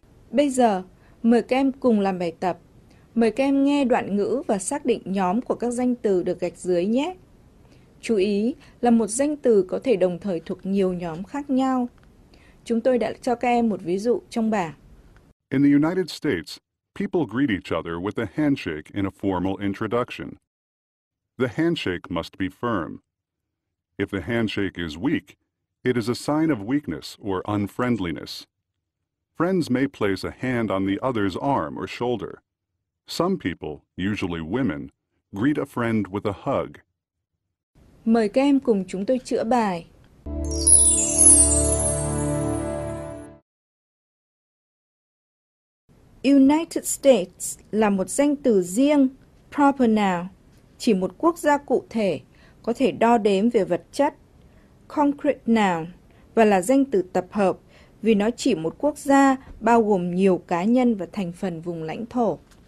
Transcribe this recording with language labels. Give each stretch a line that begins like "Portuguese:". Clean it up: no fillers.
Vietnamese: Bây giờ, mời các em cùng làm bài tập. Mời các em nghe đoạn ngữ và xác định nhóm của các danh từ được gạch dưới nhé. Chú ý là một danh từ có thể đồng thời thuộc nhiều nhóm khác nhau. Chúng tôi đã cho các em một ví dụ trong bảng.
English: In the United States, people greet each other with a handshake in a formal introduction. The handshake must be firm. If the handshake is weak, it is a sign of weakness or unfriendliness. Friends may place a hand on the other's arm or shoulder. Some people, usually women, greet a friend with a hug.
Vietnamese: Mời các em cùng chúng tôi chữa bài. United States là một danh từ riêng,
English: proper noun,
Vietnamese: chỉ một quốc gia cụ thể, có thể đo đếm về vật chất,
English: concrete noun,
Vietnamese: và là danh từ tập hợp, vì nó chỉ một quốc gia bao gồm nhiều cá nhân và thành phần vùng lãnh thổ.